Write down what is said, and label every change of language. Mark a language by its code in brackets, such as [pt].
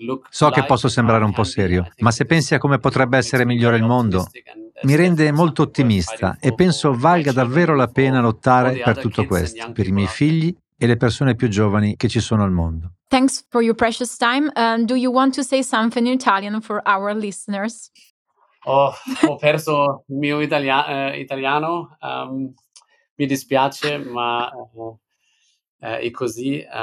[it] So che posso sembrare un po' serio, ma se pensi a come potrebbe essere migliore il mondo, mi rende molto ottimista e penso valga davvero la pena lottare per tutto questo, per i miei figli e le persone più giovani che ci sono al mondo. [en] Thanks for your precious time. Do you want to say something in Italian for our listeners? [it] Ho perso il mio italiano. Mi dispiace, ma è così.